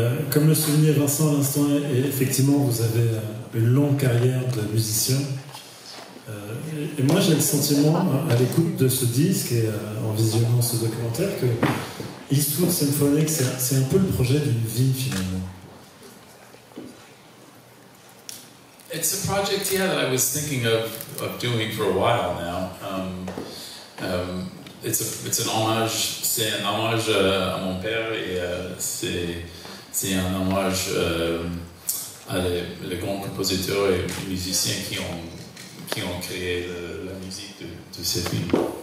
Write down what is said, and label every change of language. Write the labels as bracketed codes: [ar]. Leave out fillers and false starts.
[fr] Comme le soulignait Vincent à l'instant, et effectivement, vous avez une longue carrière de musicien. Et moi, j'ai le sentiment, à l'écoute de ce disque et en visionnant ce documentaire, que Eastwood Symphonic, c'est un peu le projet d'une vie, finalement. [en] It's a project, yeah, that I was thinking of doing for a while now. It's an homage. [fr] C'est un hommage à mon père, et c'est un hommage à les grands compositeurs et musiciens qui ont créé la musique de ces films.